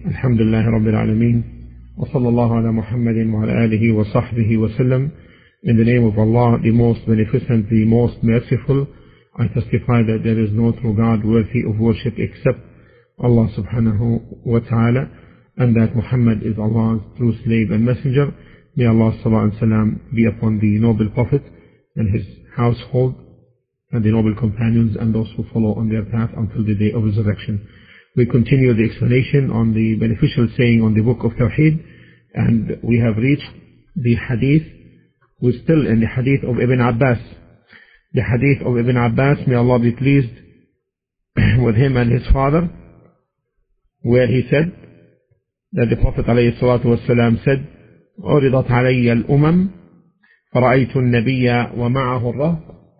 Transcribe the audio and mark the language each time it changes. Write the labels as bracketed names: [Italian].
[Arabic] الحمد لله رب العالمين، وصلى الله على محمد وعلى آله وصحبه وسلم. [English] In the name of Allah, the most beneficent, the most merciful, I testify that there is no true God worthy of worship except Allah subhanahu wa ta'ala, and that Muhammad is Allah's true slave and messenger. May Allah sallallahu alayhi wa sallam be upon the noble prophet and his household and the noble companions and those who follow on their path until the day of resurrection. We continue the explanation on the beneficial saying on the book of Tawheed, and we have reached the hadith. We're still in the hadith of Ibn Abbas. The hadith of Ibn Abbas, may Allah be pleased with him and his father, where he said that the Prophet [Arabic] عليه الصلاة والسلام [English] said, [Arabic] عُرِضَتْ عَلَيَّ الْأُمَمْ فَرَأَيْتُ النَّبِيَّ وَمَعَهُ الرَّهْبُ